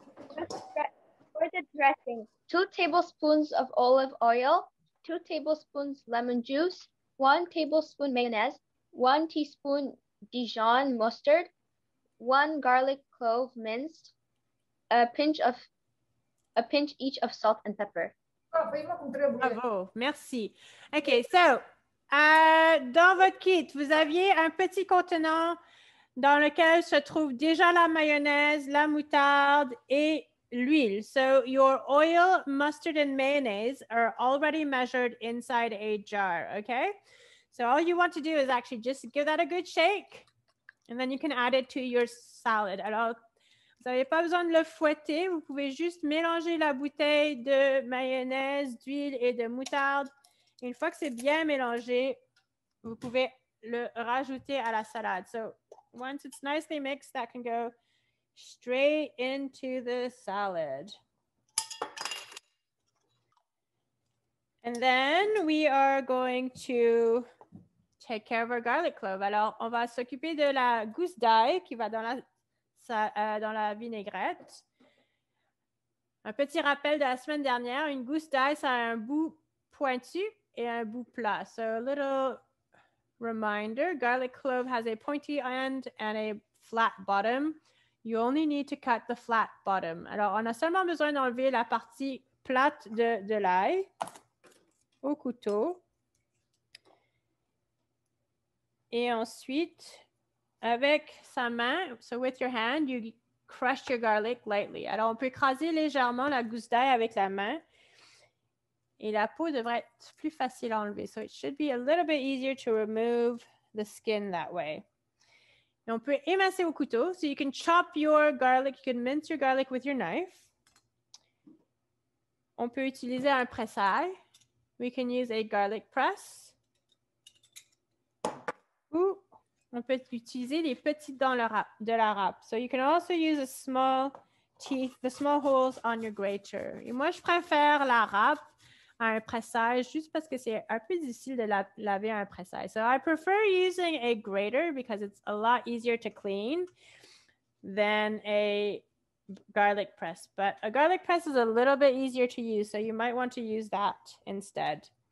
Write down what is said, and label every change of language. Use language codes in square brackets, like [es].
[en] For the dressing, 2 tablespoons of olive oil, 2 tablespoons lemon juice, 1 tablespoon mayonnaise, 1 teaspoon Dijon mustard, 1 garlic clove minced, a pinch each of salt and pepper. [fr] Bravo, merci. OK, so, dans votre kit, vous aviez un petit contenant dans lequel se trouve déjà la mayonnaise, la moutarde et l'huile. [en] So, your oil, mustard and mayonnaise are already measured inside a jar, OK? So, all you want to do is actually just give that a good shake and then you can add it to your salad. [fr] Alors, vous n'avez pas besoin de le fouetter, vous pouvez juste mélanger la bouteille de mayonnaise, d'huile et de moutarde. Une fois que c'est bien mélangé, vous pouvez le rajouter à la salade. [en] So, once it's nicely mixed, that can go straight into the salad. And then we are going to take care of our garlic clove. [fr] Alors, on va s'occuper de la gousse d'ail qui va dans la dans la vinaigrette. Un petit rappel de la semaine dernière, une gousse d'ail, ça a un bout pointu et un bout plat. [en] So, a little reminder, garlic clove has a pointy end and a flat bottom. You only need to cut the flat bottom. [fr] Alors, on a seulement besoin d'enlever la partie plate de l'ail au couteau. Et ensuite, avec sa main, [en] so with your hand, you crush your garlic lightly. [fr] Alors, on peut écraser légèrement la gousse d'ail avec la main. Et la peau devrait être plus facile à enlever. [en] So it should be a little bit easier to remove the skin that way. [fr] Et on peut émincer au couteau. [en] So you can chop your garlic, you can mince your garlic with your knife. [fr] On peut utiliser un pressail. [en] We can use a garlic press. [fr] Ou on peut utiliser les petites dents de la râpe. [en] So you can also use a small teeth, the small holes on your grater. [fr] Et moi, je préfère la râpe à un pressage juste parce que c'est un peu difficile de laver un pressage. [en] So I prefer using a grater because it's a lot easier to clean than a garlic press. But a garlic press is a little bit easier to use, so you might want to use that instead.